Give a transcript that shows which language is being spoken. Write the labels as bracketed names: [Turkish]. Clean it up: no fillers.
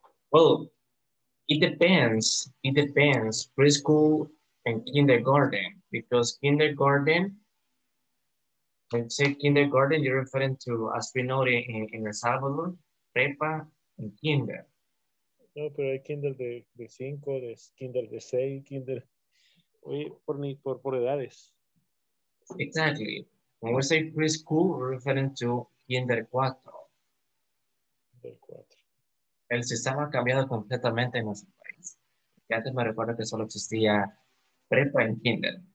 [English] Well, it depends, preschool and kindergarten, because kindergarten, you're referring to, as we know in El Salvador, prepa and kinder. [Spanish] No, pero hay kinder de cinco, de kinder de seis, kinder, oye, por edades. [English] Exactly. When we say preschool, we're referring to Kinder 4. [Spanish] El sistema ha cambiado completamente en nuestro país. Y antes me recuerdo que solo existía prepa en kinder.